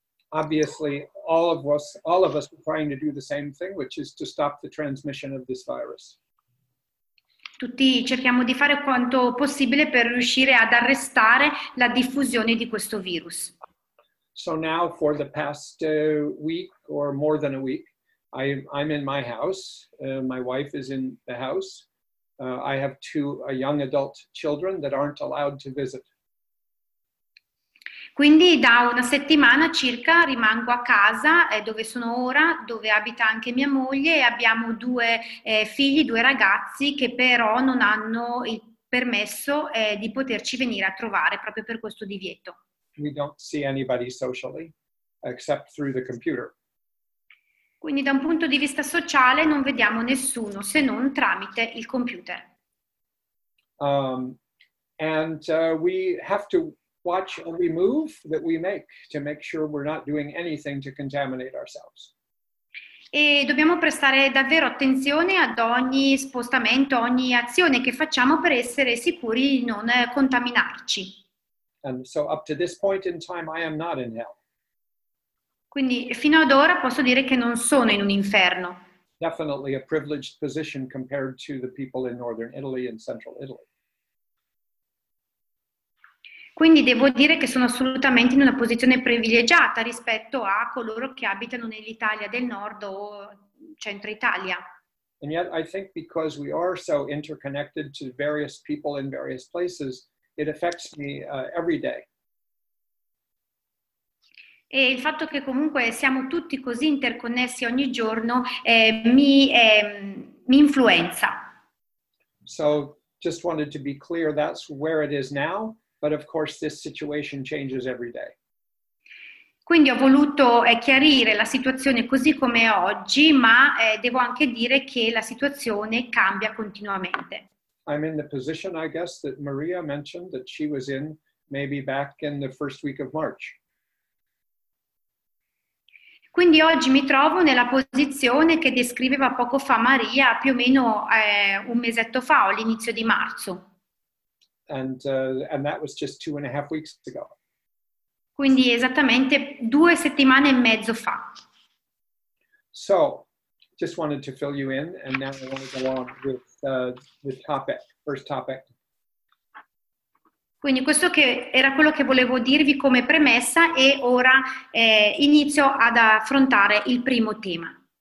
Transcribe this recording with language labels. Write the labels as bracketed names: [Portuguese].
[English] Obviously, all of us are trying to do the same thing, which is to stop the transmission of this virus. [Italian] Tutti cerchiamo di fare quanto possibile per riuscire ad arrestare la diffusione di questo virus. [English] So now for the past week or more than a week, I'm in my house. My wife is in the house. I have a young adult children that aren't allowed to visit. [Italian] Quindi da una settimana circa rimango a casa, dove sono ora, dove abita anche mia moglie, e abbiamo due figli, due ragazzi, che però non hanno il permesso di poterci venire a trovare proprio per questo divieto. [English] We don't see anybody socially, except through the computer. [Italian] Quindi da un punto di vista sociale non vediamo nessuno, se non tramite il computer. [English] We have to watch every move that we make to make sure we're not doing anything to contaminate ourselves. [Italian] E dobbiamo prestare davvero attenzione ad ogni spostamento, ogni azione che facciamo per essere sicuri di non contaminarci. [English] And so up to this point in time, I am not in hell. [Italian] Quindi fino ad ora posso dire che non sono in un inferno. [English] Definitely a privileged position compared to the people in northern Italy and central Italy. [Italian] Quindi devo dire che sono assolutamente in una posizione privilegiata rispetto a coloro che abitano nell'Italia del nord o centro Italia. [English] And yet I think because we are so interconnected to various people in various places, it affects me every day. [Italian] E il fatto che comunque siamo tutti così interconnessi ogni giorno mi influenza. [English] So just wanted to be clear, that's where it is now, but of course this situation changes every day. [Italian] Quindi ho voluto chiarire la situazione così come è oggi, ma devo anche dire che la situazione cambia continuamente. [English] I'm in the position, I guess, that Maria mentioned that she was in maybe back in the first week of March. [Italian] Quindi oggi mi trovo nella posizione che descriveva poco fa Maria, più o meno un mesetto fa, all'inizio di marzo. [English] And that was just 2.5 weeks ago. [Italian] Quindi esattamente 2 settimane e mezzo fa. [English] So, just wanted to fill you in, and now I want to go on with the topic, first topic. [Italian] Quindi questo che era quello che volevo dirvi come premessa e ora inizio ad affrontare il primo tema.